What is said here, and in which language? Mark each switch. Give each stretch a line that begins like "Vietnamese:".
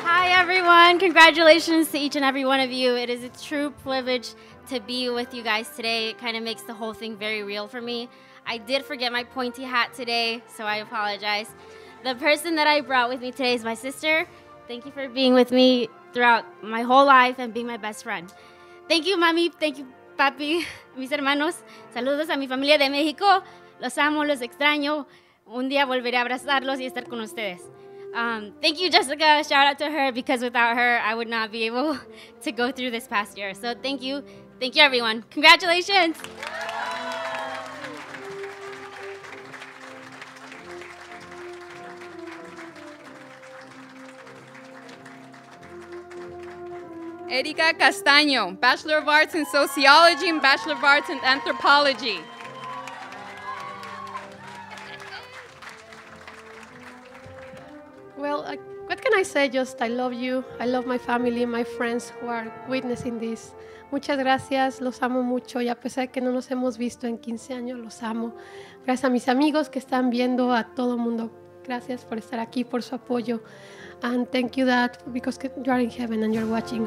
English: Everyone, congratulations to each and every one of you. It is a true privilege to be with you guys today. It kind of makes the whole thing very real for me. I did forget my pointy hat today, so I apologize. The person that I brought with me today is my sister. Thank you for being with me throughout my whole life and being my best friend. Thank you, mami. Thank you, papi.
Spanish: Mis hermanos, saludos a mi familia de México. Los amo, los extraño. Un día volveré a abrazarlos y estar con ustedes.
English: Thank you, Jessica. Shout out to her, because without her, I would not be able to go through this past year. So thank you. Thank you, everyone. Congratulations. Erika Castaño, Bachelor of Arts in Sociology and Bachelor of Arts in Anthropology. Well, what can I say? Just I love you. I love my family, my friends who are witnessing this.
Spanish: Muchas gracias. Los amo mucho. Y a pesar de que no nos hemos visto en 15 años, los amo. Gracias a mis amigos que están viendo, a todo mundo. Gracias por estar aquí, por su apoyo.
English: And thank you, Dad, because you are in heaven and you're watching.